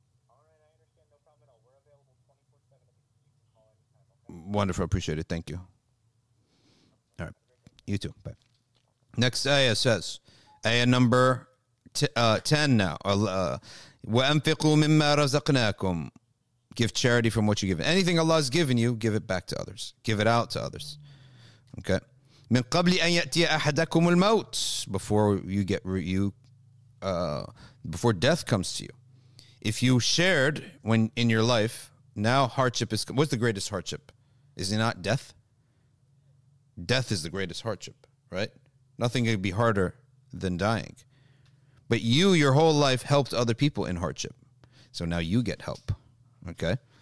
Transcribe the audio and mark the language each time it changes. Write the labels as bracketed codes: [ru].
[en] All right, I understand. No problem at all. We're available 24/7 if you can call anytime. Okay? Wonderful. Appreciate it. Thank you. Okay. All right. You too. Bye. Next ayah says, ayah number 10 now. [ar] وَأَنْفِقُوا مِمَّا رَزَقْنَاكُمْ. [en] Give charity from what you give. Anything Allah has given you, give it back to others. Give it out to others. Okay. [ar] من قبل أن يأتي أحدكم الموت, [en] before death comes to you. If you shared when in your life, now hardship is, what's the greatest hardship? Is it not death? Death is the greatest hardship, right? Nothing could be harder than dying. But you, your whole life, helped other people in hardship. So now you get help, okay?